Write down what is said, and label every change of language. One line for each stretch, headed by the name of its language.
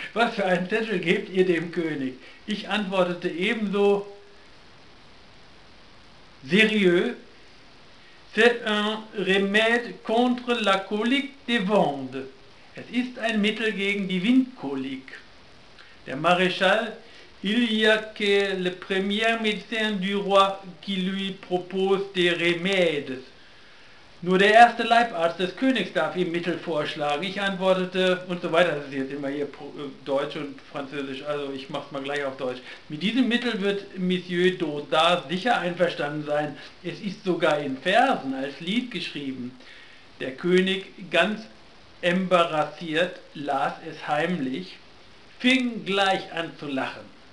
German: Was für einen Zettel gebt ihr dem König? Ich antwortete ebenso seriös:
French: C'est un remède contre la colique des Vendes.
German: Es ist ein Mittel gegen die Windkolik.
French: Der Maréchal: Il y a que le premier médecin du roi qui lui propose des remèdes.
German: Nur der erste Leibarzt des Königs darf ihm Mittel vorschlagen. Ich antwortete, und so weiter, das ist jetzt immer hier Deutsch und Französisch, also ich mach's mal gleich auf Deutsch. Mit diesem Mittel wird Monsieur Daudard sicher einverstanden sein. Es ist sogar in Versen als Lied geschrieben. Der König, ganz embarrassiert, las es heimlich, fing gleich an zu lachen.